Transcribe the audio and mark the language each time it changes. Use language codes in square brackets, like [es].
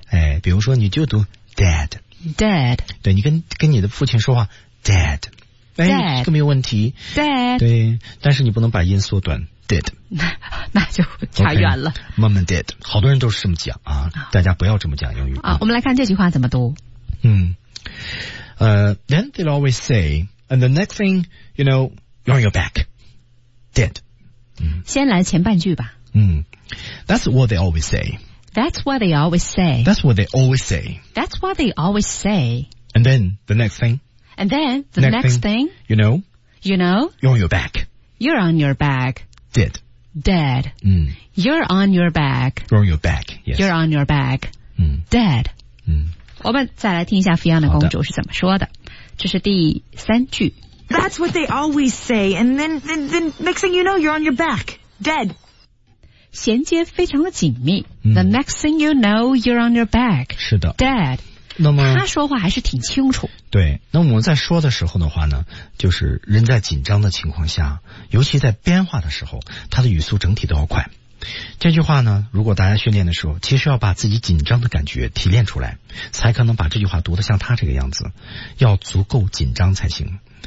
[zh] 哎，比如说你就读 dad，dad， 对你跟你的父亲说话 ，dad， 哎， [en] dad, [zh] 这个没有问题 [en] ，dad， [zh] 对，但是你不能把音缩短 ，did。那就差远了 okay, ， [en] mom and dad， [zh] 好多人都是这么讲啊，大家不要这么讲英语啊。我们来看这句话怎么读，嗯。 [en] Then they'll always say, and the next thing, you know, you're on your back, dead. [zh] 先来前半句吧。 [en] 嗯 ，That's what they always say. That's what they always say. That's what they always say. That's what they always say. And then the next thing. And then the next thing. You know. You know. You're on your back. You're on your back. Dead. Dead. 嗯 You're on your back. You're on your back. Yes. You're on your back. 嗯 Dead. 嗯 [zh] 我们再来听一下菲安娜公主是怎么说的。这是第三句。 [en] That's what they always say, and then next thing you know, you're on your back, dead. [zh] 衔接非常的紧密。 [en] The next thing you know, you're on your back. [zh] 是的。 [en] Dead. [zh] 那么他说话还是挺清楚。对，那我们在说的时候的话呢，就是人在紧张的情况下，尤其在编话的时候，他的语速整体都要快。这句话呢，如果大家训练的时候，其实要把自己紧张的感觉提炼出来，才可能把这句话读得像他这个样子，要足够紧张才行。